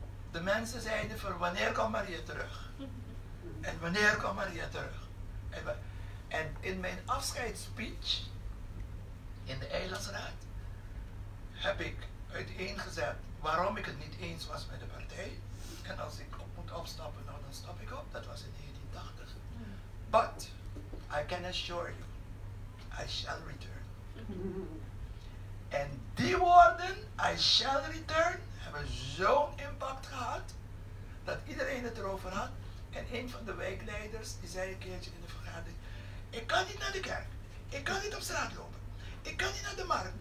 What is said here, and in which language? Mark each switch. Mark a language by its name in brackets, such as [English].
[Dutch] De mensen zeiden voor wanneer komt Maria terug? En wanneer komt Maria terug? En in mijn afscheidsspeech in de Eilandsraad heb ik uiteengezet waarom ik het niet eens was met de partij. En als ik op moet opstappen, nou dan stap ik op. Dat was in 1980. [English] But I can assure you, I shall return. [Dutch] En die woorden, [English] I shall return, [Dutch] hebben zo'n impact gehad, dat iedereen het erover had. En een van de wijkleiders, die zei een keertje in de vergadering, ik kan niet naar de kerk, ik kan niet op straat lopen, ik kan niet naar de markt.